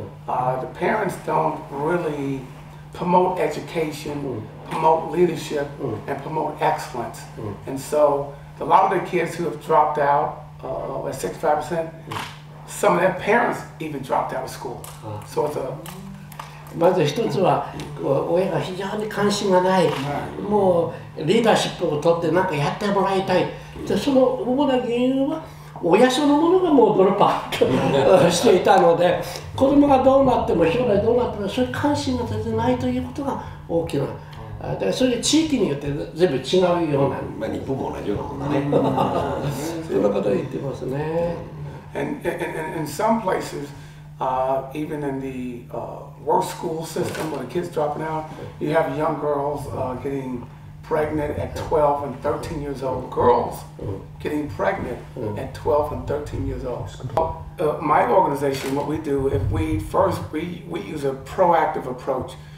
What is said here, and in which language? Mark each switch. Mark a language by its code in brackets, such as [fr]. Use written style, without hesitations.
[en] The parents don't really promote education, promote leadership, and promote excellence. And so a lot of the kids who have dropped out at 65%, some of their parents even dropped out of school. So it's a... [ja] まず一つは親が非常に関心がない、もうリーダーシップを取って何かやってもらいたい、でその主な原因は親そのものがもうドロップアウトしていたので、子供がどうなっても将来どうなってもそういう関心が全然ないということが大きな、だからそれで地域によって全部違うような、まあ日本も同じようなもんだね、そんなことを言ってますね。 [en] And some places. Even in the work school system, when the kids dropping out, you have young girls getting pregnant at 12 and 13 years old. Girls getting pregnant at 12 and 13 years old. My organization, what we do, if we first, we use a proactive approach.